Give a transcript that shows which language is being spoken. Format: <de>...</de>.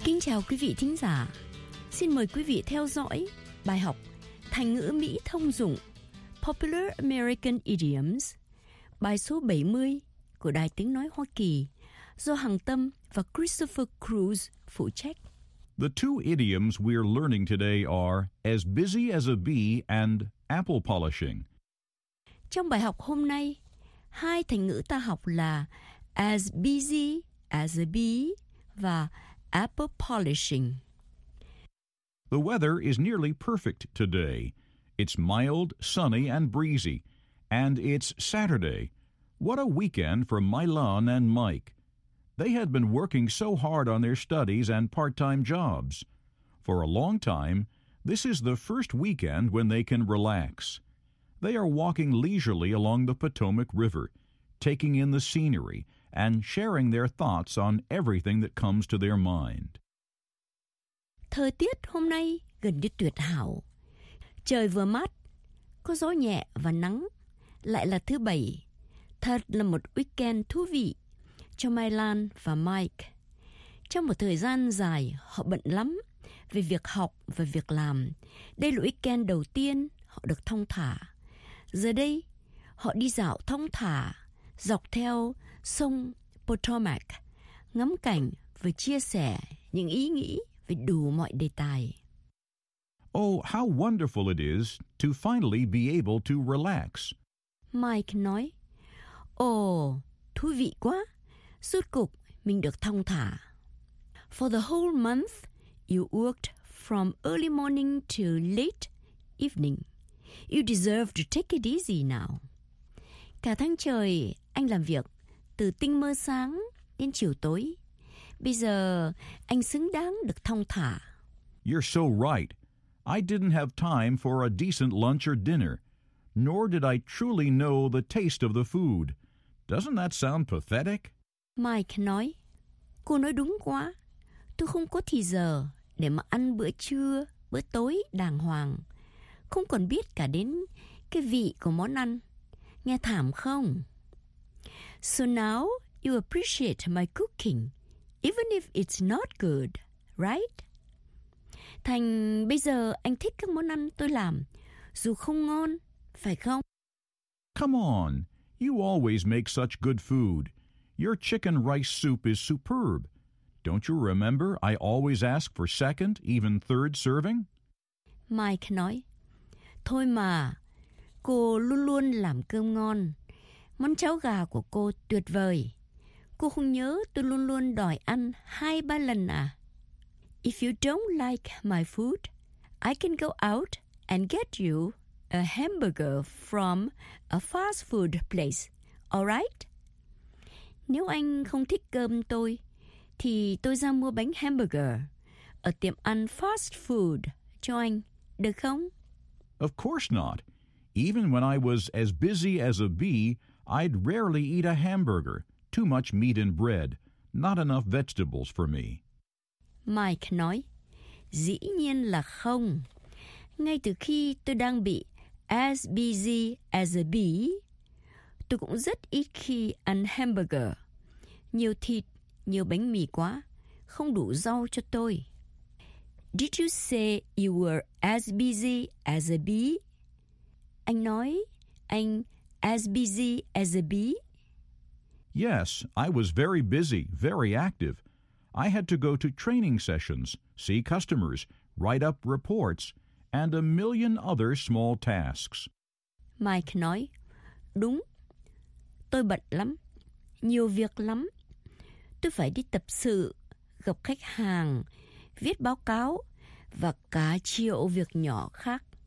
<vi>Chào quý vị thính giả, xin mời quý vị theo dõi bài học thành ngữ Mỹ thông dụng Popular American Idioms, bài số 70 của Đài Tiếng Nói Hoa Kỳ do Hằng Tâm và Christopher Cruz phụ trách.</vi> <en>The two idioms we're learning today are as busy as a bee and apple polishing.</en> <vi>Trong bài học hôm nay, hai thành ngữ ta học là as busy as a bee và apple polishing.</vi> <en>The weather is nearly perfect today. It's mild, sunny, and breezy. And it's Saturday. What a weekend for Mylon and Mike. They had been working so hard on their studies and part-time jobs. For a long time, this is the first weekend when they can relax. They are walking leisurely along the Potomac River, taking in the scenery and sharing their thoughts on everything that comes to their mind.</en> <vi>Thời tiết hôm nay gần như tuyệt hảo. Trời vừa mát, có gió nhẹ và nắng. Lại là thứ bảy. Thật là một weekend thú vị cho Mylan và Mike. Trong một thời gian dài, họ bận lắm về việc học và việc làm. Đây là weekend đầu tiên họ được thong thả. Giờ đây, họ đi dạo thong thả dọc theo sông Potomac, ngắm cảnh và chia sẻ những ý nghĩ về đủ mọi đề tài.</vi> <en>Oh, how wonderful it is to finally be able to relax.</en> <vi>Mike nói, Oh, thú vị quá, rốt cục mình được thong thả.</vi> <en>For the whole month, you worked from early morning to late evening. You deserve to take it easy now.</en> <vi>Cả tháng trời, anh làm việc từ tinh mơ sáng đến chiều tối. Bây giờ, anh xứng đáng được thong thả.</vi> <en>You're so right. I didn't have time for a decent lunch or dinner, nor did I truly know the taste of the food. Doesn't that sound pathetic?</en> <vi>Mike nói, Cô nói đúng quá. Tôi không có thì giờ để mà ăn bữa trưa, bữa tối đàng hoàng. Không còn biết cả đến cái vị của món ăn. Nghe thảm không?</vi> <en>So now you appreciate my cooking, even if it's not good, right?</en> <vi>Thành bây giờ anh thích các món ăn tôi làm, dù không ngon, phải không?</vi> <en>Come on, you always make such good food. Your chicken rice soup is superb. Don't you remember I always ask for second, even third serving?</en> <vi>Mike nói, Thôi mà, cô luôn luôn làm cơm ngon. Món cháo gà của cô tuyệt vời. Cô không nhớ tôi luôn luôn đòi ăn hai ba lần à?</vi> <en>If you don't like my food, I can go out and get you a hamburger from a fast food place, all right?</en> <vi>Nếu anh không thích cơm tôi, thì tôi ra mua bánh hamburger ở tiệm ăn fast food cho anh, được không?</vi> <en>Of course not. Even when I was as busy as a bee, I'd rarely eat a hamburger. Too much meat and bread. Not enough vegetables for me.</en> <vi>Mike nói, Dĩ nhiên là không. Ngay từ khi tôi đang bị as busy as a bee, tôi cũng rất ít khi ăn hamburger. Nhiều thịt, nhiều bánh mì quá, không đủ rau cho tôi.</vi> <en>Did you say you were as busy as a bee?</en> <vi>Anh nói, anh as busy as a bee?</vi> <en>Yes, I was very busy, very active. I had to go to training sessions, see customers, write up reports, and a million other small tasks.</en> <vi>Mike nói, Đúng, tôi bận lắm, nhiều việc lắm. Tôi phải đi tập sự, gặp khách hàng, viết báo cáo, và cả triệu việc nhỏ khác.</vi>